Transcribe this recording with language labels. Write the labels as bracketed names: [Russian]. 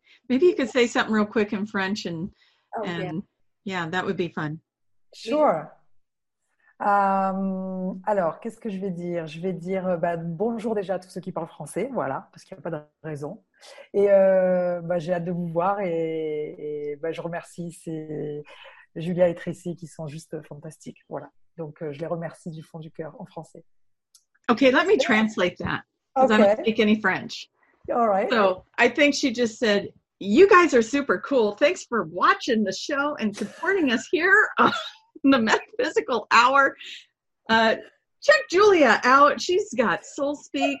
[English] Maybe you could say something real quick in French and that would be fun. Sure. [French] Alors, qu'est-ce que je vais dire? Je vais dire bonjour déjà à tous ceux qui parlent français, voilà, parce qu'il n'y a pas de raison. Et j'ai hâte de vous voir et je remercie Julia et Tracy qui sont juste fantastiques. Voilà. Donc, je les remercie du fond du cœur en français. [English] Okay, let me translate that because I don't speak any French. All right. So, I think she just said, you guys are super cool. Thanks for watching the show and supporting us here on the Metaphysical Hour. Check Julia out. She's got Soul Speak.